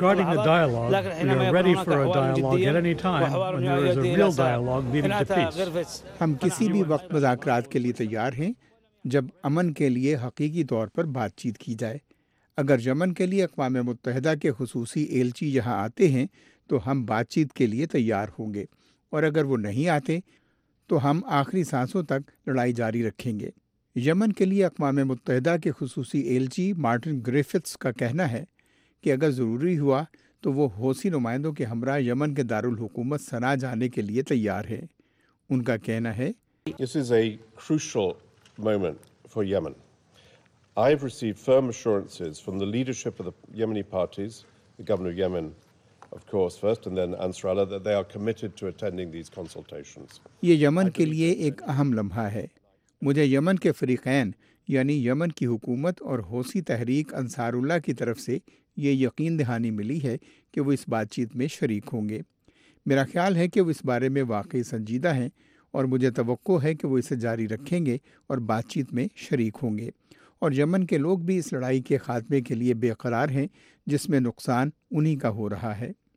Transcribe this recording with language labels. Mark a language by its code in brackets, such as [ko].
[en] regarding the dialogue, [ar] لكن احنا [en] ready for a dialogue at any time when there is a real dialogue leading to peace. [ur] ہم کسی بھی وقت مذاکرات کے لیے تیار ہیں جب امن کے لیے حقیقی طور پر بات چیت کی جائے۔ اگر یمن کے لیے اقوام متحدہ کے خصوصی ایلچی یہاں آتے ہیں تو ہم بات چیت کے لیے تیار ہوں گے، اور اگر وہ نہیں آتے تو ہم آخری سانسوں تک لڑائی جاری رکھیں گے۔ یمن کے لیے اقوام متحدہ کے خصوصی ایلچی مارٹن گریفتس کا کہنا ہے کہ اگر ضروری ہوا تو وہ حوثی نمائندوں کے ہمراہ یمن کے دارالحکومت صنعاء جانے کے لیے تیار ہے۔ ان کا کہنا ہے، [en] This is a crucial moment for Yemen. I've received firm assurances from the leadership of the Yemeni parties, the governor of Yemen, of course, first, and then Ansarallah, that they are committed to attending these consultations. [ur] یہ یمن کے لیے ایک اہم لمحہ ہے۔ مجھے یمن کے فریقین یعنی یمن کی حکومت اور حوثی تحریک انصار اللہ کی طرف سے یہ یقین دہانی ملی ہے کہ وہ اس بات چیت میں شریک ہوں گے۔ میرا خیال ہے کہ وہ اس بارے میں واقعی سنجیدہ ہیں اور مجھے توقع ہے کہ وہ اسے جاری رکھیں گے اور بات چیت میں شریک ہوں گے، اور یمن کے لوگ بھی اس لڑائی کے خاتمے کے لیے بے قرار ہیں جس میں نقصان انہی کا ہو رہا ہے۔